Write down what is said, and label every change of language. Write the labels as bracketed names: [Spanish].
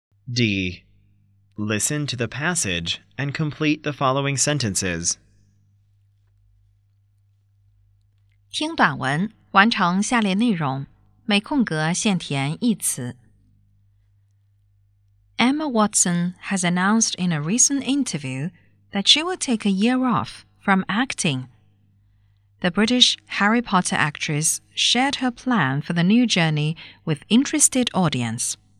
[English] D. Listen to the passage and complete the following sentences. [Chinese] 听短文，完成下列内容，每空格限填一词。 [English] Emma Watson has announced in a recent interview that she will take a year off from acting. The British Harry Potter actress shared her plan for the new journey with interested audience.